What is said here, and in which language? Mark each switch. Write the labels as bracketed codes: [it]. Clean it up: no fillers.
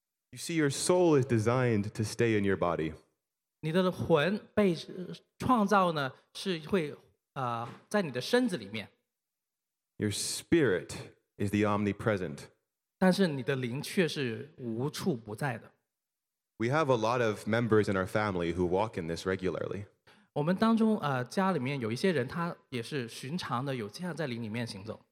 [en] You see, your soul is designed to stay in your body. [zh] 你的魂被创造呢,是会在你的身子里面。 [en] Your spirit is the omnipresent. [zh] 但是你的灵却是无处不在的。 [en] We have a lot of members in our family who walk in this regularly. [zh] 我们当中家里面有一些人他也是寻常的有这样在灵里面行走。